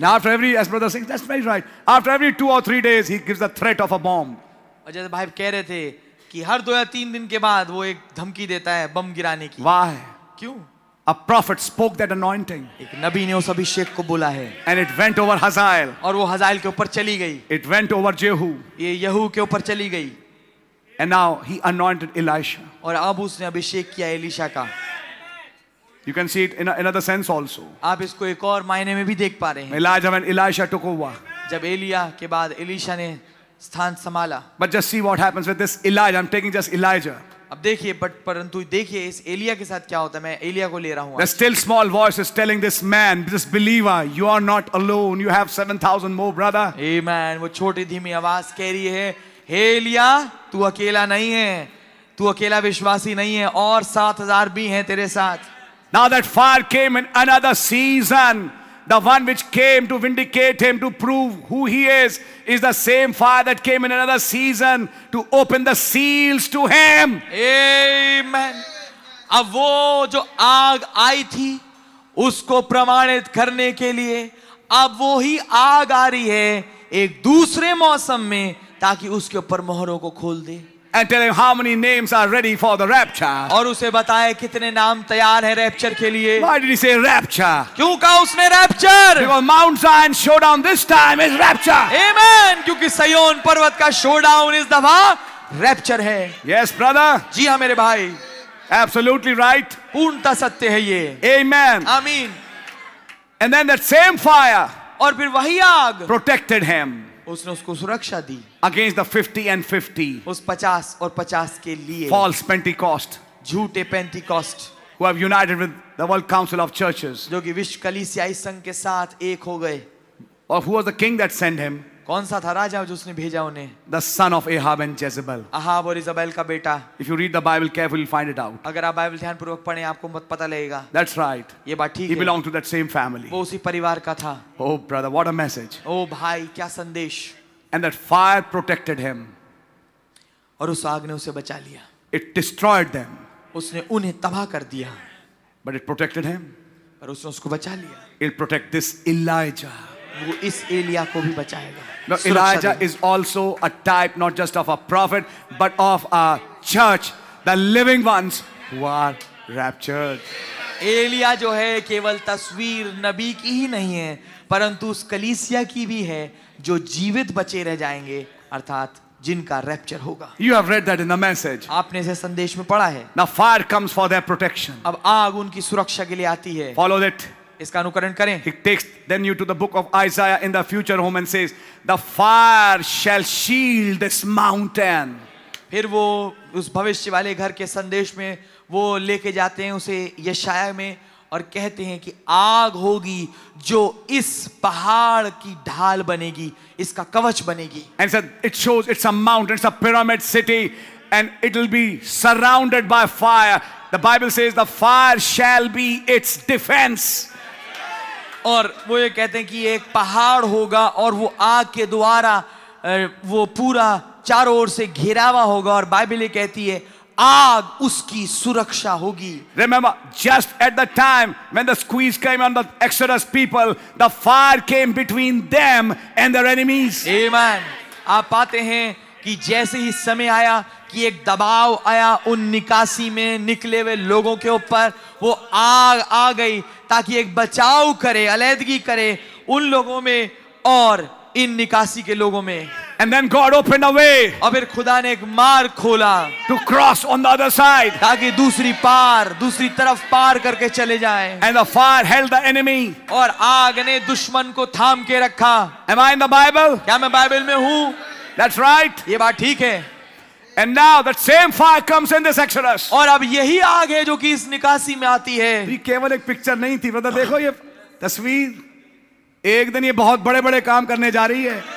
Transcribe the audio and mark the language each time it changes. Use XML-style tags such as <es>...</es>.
<en>And after every, as brother says, that's very right. After every 2 or 3 days, he gives the threat of a bomb.</en> <hi>और जैसे भाई कह रहे थे कि हर 2 या 3 दिन के बाद वो एक धमकी देता है बम गिराने की. वाह है. क्यों?</hi> <en>A prophet spoke that anointing.</en> <hi>एक नबी ने उस अभिषेक को बोला है.</hi> <en>And it went over Hazael.</en> <hi>और वो हजाइल के ऊपर चली गई.</hi> <en>It went over Jehu.</en> <hi>ये यहू के ऊपर चली गई.</hi> <en>And now he anointed Elisha.</en> <hi>और अब उसने अभिषेक किया एलिशा का.</hi> <en>You can see it in another sense also.</en> <hi>आप इसको एक और मायने में भी देख पा रहे हैं.</hi> <en>Elijah and Elisha took over.</en> <hi>जब एलिया के बाद एलिशा ने स्थान संभाला.</hi> <en>But just see what happens with this Elijah. I'm taking just Elijah.</en> <hi>अब देखिए, परंतु देखिए इस एलिया के साथ क्या होता है. मैं एलिया को ले रहा हूँ.</hi> <en>The still small voice is telling this man, this believer, you are not alone. You have 7,000 more, brother. Amen.</en> <hi>वो छोटी धीमी आवाज कह रही है, हे एलिया, तू अकेला नहीं है, तू अकेला विश्वासी नहीं है, और 7,000 भी हैं तेरे साथ.</hi> <en>Now that fire came in another season. The one which came to vindicate him, to prove who he is the same fire that came in another season to open the seals to him. Amen.</en> <hi>अब वो जो आग आई थी उसको प्रमाणित करने के लिए, अब वो ही आग आ रही है एक दूसरे मौसम में ताकि उसके ऊपर मोहरों को खोल दे.</hi> <en>And tell him how many names are ready for the rapture.</en> <hi>और उसे बताए कितने नाम तैयार हैं rapture के लिए.</hi> <en>Why did he say rapture?</en> <hi>क्यों कहा उसने rapture?</hi> <en>Because Mount Zion showdown this time is rapture. Amen.</en> <hi>क्योंकि सयोन पर्वत का showdown इस दफा rapture है.</hi> <en>Yes, brother.</en> <hi>जी हाँ मेरे भाई.</hi> <en>Absolutely right.</en> <hi>पूर्णता सत्य है ये.</hi> <en>Amen. Amen. And then that same fire.</en> <hi>और फिर वही आग</hi> <en>protected him,</en> <hi>उसने उसको सुरक्षा दी</hi> <en>against the 50 and 50,</en> <hi>उस 50 और 50 के लिए</hi> <en>false Pentecost,</en> <hi>झूठे Pentecost,</hi> <en>who have united with the world council of churches,</en> <hi>जो कि विश्व कलीसियाई संघ के साथ एक हो गए,</hi> <en>or who was the king that sent him,</en> <hi>कौन सा था राजा जो उसने भेजा उन्हें,</hi> <en>the son of Ahab and Jezebel,</en> <hi>Ahab और इजबेल का बेटा,</hi> <en>if you read the bible carefully you'll find it out,</en> <hi>अगर आप बाइबल ध्यान पूर्वक पढ़ें आपको मत पता लगेगा,</hi> <en>that's right,</en> <hi>ये बात ठीक है,</hi> <en>he belonged to that same family,</en> <hi>वो उसी परिवार का था,</hi> <en>oh brother what a message,</en> <hi>oh भाई क्या संदेश,</hi> <en>and that fire protected him,</en> <hi>और उस आग ने उसे बचा लिया,</hi> <en>it destroyed them,</en> <hi>उसने उन्हें तबाह कर दिया,</hi> <en>but it protected him,</en> <hi>पर उसने उसको बचा लिया,</hi> <en>it protect this Elijah,</en> <hi>वो इस एलिया को भी बचाएगा,</hi> <en>now Elijah is also a type not just of a prophet but of a church, the living ones who are raptured,</en> <hi>Elia जो है केवल तस्वीर नबी की ही नहीं है परंतु उस कलीसिया की भी है जो जीवित बचे रह जाएंगे अर्थात जिनका रैप्चर होगा,</hi> <en>you have read that in the message,</en> <hi>आपने इसे संदेश में पढ़ा है,</hi> <en>now fire comes for their protection,</en> <hi>अब आग उनकी सुरक्षा के लिए आती है,</hi> <en>follow that,</en> <hi>इसका अनुकरण करें,</hi> <en>he takes then you to the book of Isaiah in the future home and says the fire shall shield this mountain,</en> <hi>फिर वो उस भविष्य वाले घर के संदेश में वो लेके जाते हैं उसे यशाया में और कहते हैं कि आग होगी जो इस पहाड़ की ढाल बनेगी, इसका कवच बनेगी,</hi> <en>and so it shows it's a mountain, it's a pyramid city and it'll be surrounded by fire, the bible says the fire shall be its defense,</en> <hi>और वो ये कहते हैं कि एक पहाड़ होगा और वो आग के द्वारा वो पूरा चारों ओर से घिरा हुआ होगा और बाइबल ये कहती है आग उसकी सुरक्षा होगी,</hi> <en>remember just at the time when the squeeze came on the Exodus people the fire came between them and their enemies,</en> <hi>आमेन, आप पाते हैं कि जैसे ही समय आया कि एक दबाव आया उन निकासी में निकले हुए लोगों के ऊपर, वो आग आ गई ताकि एक बचाव करे, अलैदगी करे उन लोगों में और इन निकासी के लोगों में,</hi> <en>and then God opened a way,</en> <hi>और फिर खुदा ने एक मार्ग खोला,</hi> <en>to cross on the other side,</en> <hi>ताकि दूसरी पार दूसरी तरफ पार करके चले जाएं,</hi> <en>and the fire held the enemy,</en> <hi>और आग ने दुश्मन को थाम के रखा,</hi> <en>am I in the bible,</en> <hi>क्या मैं बाइबल में हूं,</hi> <en>that's right,</en> <hi>ये बात ठीक है,</hi> <en>and now that same fire comes in this exodus,</en> <hi>और अब यही आग है जो कि इस निकासी में आती है, ये केवल एक पिक्चर नहीं थी ब्रदर, देखो ये तस्वीर, एक दिन ये बहुत बड़े बड़े काम करने जा रही है,</hi>